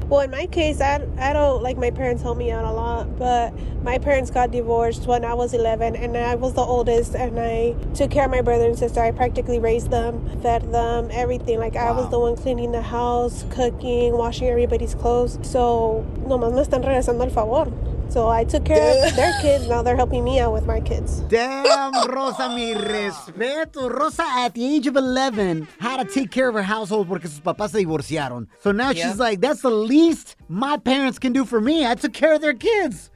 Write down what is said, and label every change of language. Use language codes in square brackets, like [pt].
[en] Well, in my case, I don't like my parents help me out a lot. But my parents got divorced when I was 11, and I was the oldest, and I took care of my brother and sister. I practically raised them, fed them, everything. Like, wow. I was the one cleaning the house, cooking, washing everybody's clothes. [es] So, nomás me están regresando el favor. [en] So I took care of their kids. Now they're helping me out with my kids. [es] Damn, Rosa, mi respeto. [en] Rosa, at the age of 11, had to take care of her household because [es] sus papás se divorciaron. [en] So now she's like, that's the least my parents can do for me. I took care of their kids.